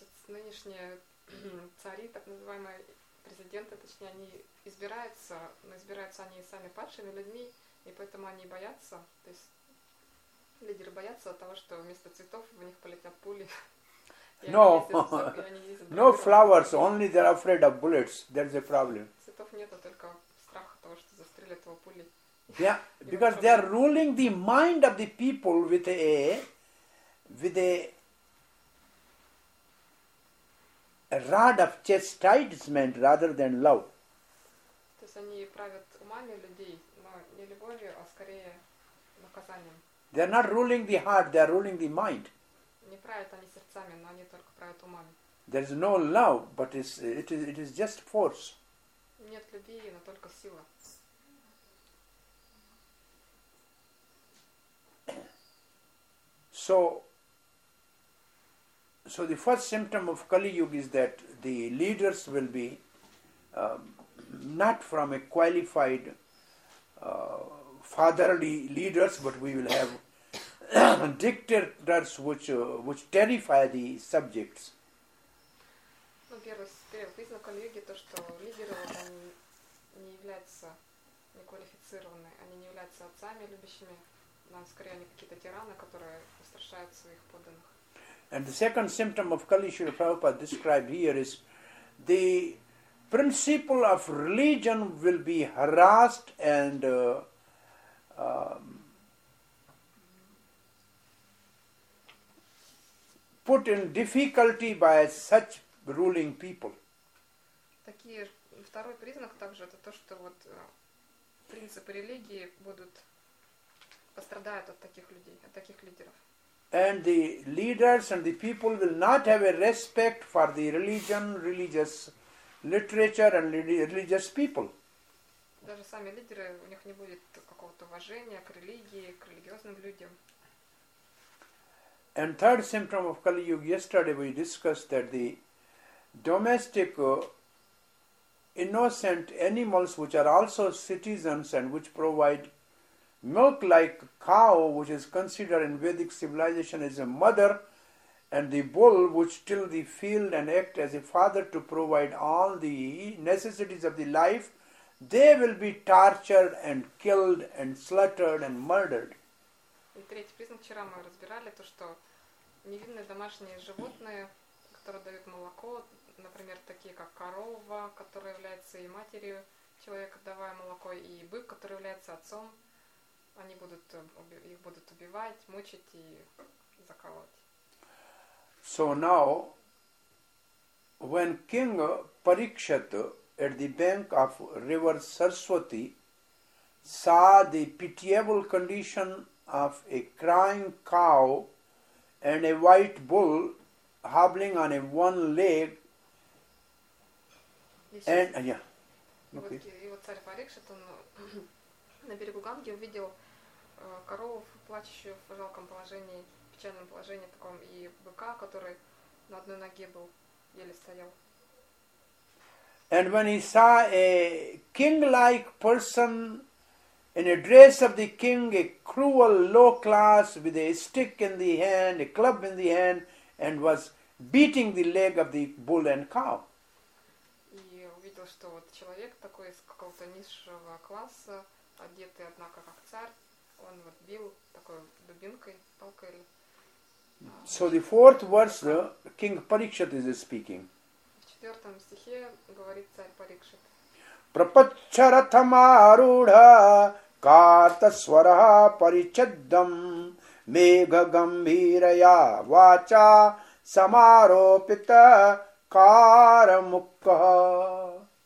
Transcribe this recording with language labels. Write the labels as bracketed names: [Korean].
[Russian] Нынешние цари, так называемые президенты, точнее, они избираются, но избираются они сами падшими людьми, и поэтому они боятся, то есть лидеры боятся того, что вместо цветов в них полетят пули. [English] No flowers, only they're afraid of bullets. There's a problem. [Russian] Цветов нету, только страх того, что застрелят его пули. [English] Yeah, because they are ruling the mind of the people with a a rod of chastisement rather than love. [Russian] То есть они правят умами людей, но не любовью, а скорее наказанием. [English] They are not ruling the heart, they are ruling the mind. [Russian] Не правят они сердцами, но они только правят умами. [English] There is no love, but it is just force. [Russian] Нет любви, но только сила. [English] So the first symptom of Kali Yuga is that the leaders will be not from a qualified fatherly leaders, but we will have dictators which terrify the subjects. [Russian] Ну, первый признак Кали Юги то, что лидеры не являются неквалифицированные, они не являются отцами любящими, но скорее они какие-то тираны, которые устрашают своих подданных. [English] And the second symptom of Kali Srila Prabhupada described here is the principle of religion will be harassed and put in difficulty by such ruling people. [Russian] Такие второй признак также это то, что вот принципы религии будут пострадают от таких людей, от таких лидеров. [English] And the leaders and the people will not have a respect for the religion, religious literature, and religious people. [Russian] Даже сами лидеры, у них не будет какого-то уважения к религии, к религиозным людям. [English] And third symptom of Kali Yuga, yesterday we discussed that the domestic innocent animals, which are also citizens and which provide milk like cow, which is considered in Vedic civilization as a mother, and the bull, which till the field and act as a father to provide all the necessities of the life, they will be tortured and killed and slaughtered and murdered. [Russian] И третий признак вчера мы разбирали то, что невинные домашние животные, которые дают молоко, например, такие как корова, которая является и матерью человека, давая молоко, и бык, который является отцом. Они будут их будут убивать, мучить и заколоть. [English] So now, when King Parikshit at the bank of river Saraswati saw the pitiable condition of a crying cow and a white bull hobbling on a one leg, [Russian] И вот царь Парикшит он на берегу Ганги увидел коров, плачущую в жалком положении, печальном положении таком, и быка, который на одной ноге был, еле стоял. [English] And when he saw a king-like person in a dress of the king, a cruel, low class, with a stick in the hand, a club in the hand, and was beating the leg of the bull and cow. [Russian] И увидел, что вот человек такой из какого-то низшего класса, одетый, однако, как царь, он вот бил такой дубинкой, палкой. [English] So the fourth verse, King Parikshit is speaking. [Russian] В четвертом стихе говорит царь Парикшит. [Sanskrit] Прапаччаратамаруда картасвараха паричаддам мегагамбирая вача самаропита карамукха.